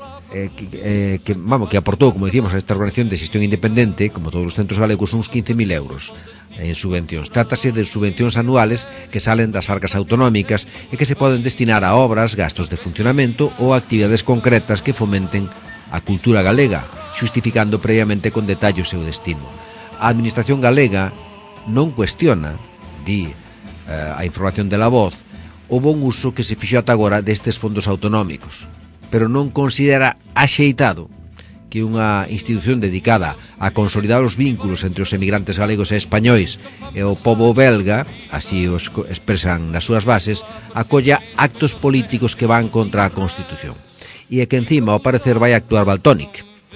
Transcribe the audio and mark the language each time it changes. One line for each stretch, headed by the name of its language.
Spanish: que aportó, como decíamos, a esta organización de gestión independente, como todos los centros galegos, unos 15.000 euros en subvenciones. Trátase de subvenciones anuales que salen de las arcas autonómicas y que se pueden destinar a obras, gastos de funcionamiento o actividades concretas que fomenten a cultura galega, justificando previamente con detalle su destino.
Galician: A administración galega non cuestiona, di a información de La Voz, o bon uso que se fixou ata agora destes fondos autonómicos, pero non considera axeitado que unha institución dedicada a consolidar os vínculos entre os emigrantes galegos e españois e o pobo belga, así os expresan nas súas bases, acolla actos políticos que van contra a Constitución. E é que encima, ao parecer, vai actuar Baltónic.